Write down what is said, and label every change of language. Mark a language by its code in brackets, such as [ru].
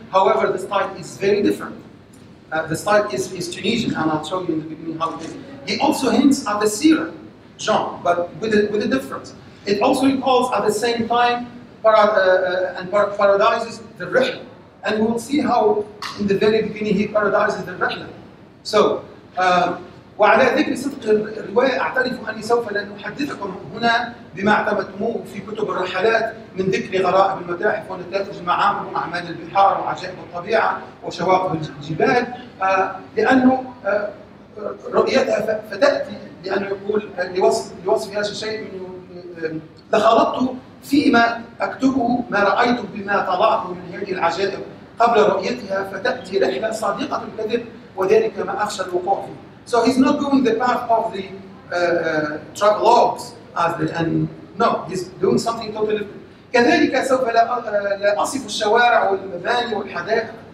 [en] However, the style is very different. The style is Tunisian, and I'll show you in the beginning how it is. It also hints at the seerah genre, but with a difference. It also recalls at the same time parodizes the rihla. And we'll see how, in the very beginning, he parodizes the rihla. [ar] So, وعلى ذكر صدق الرواية أعترف أني سوف لن أحدثكم هنا بما اعتمدتموه في كتب الرحلات من ذكر غرائب المتاحف ونتائج المعامل وأعمال البحار وعجائب الطبيعة وشواطئ الجبال لأنه رؤيتها فتأتي لأنه يقول لوصف هذا الشيء لخلطت فيما أكتبه ما رأيت بما طلعت من هذه العجائب قبل رؤيتها فتأتي رحلة صادقة الكذب وذلك ما أخشى الوقوع فيه. [en] So he's not going the path of the travelogues no, he's doing something totally different. [ar] كذلك سوف لا أصف الشوارع والمباني والحدائق.